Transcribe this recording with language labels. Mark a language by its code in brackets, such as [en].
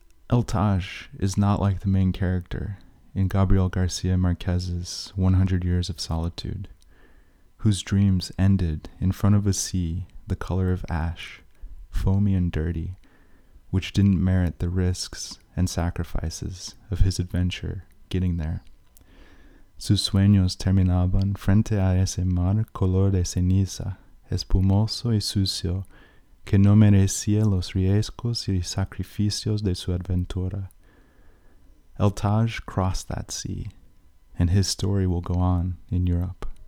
[en] Eltaj is not like the main character in Gabriel García Márquez's 100 Years of Solitude, whose dreams ended in front of a sea the color of ash, foamy and dirty, which didn't merit the risks and sacrifices of his adventure getting there. [es] Sus sueños terminaban frente a ese mar color de ceniza, espumoso y sucio, que no merecía los riesgos y sacrificios de su aventura. [en] Eltaj crossed that sea, and his story will go on in Europe.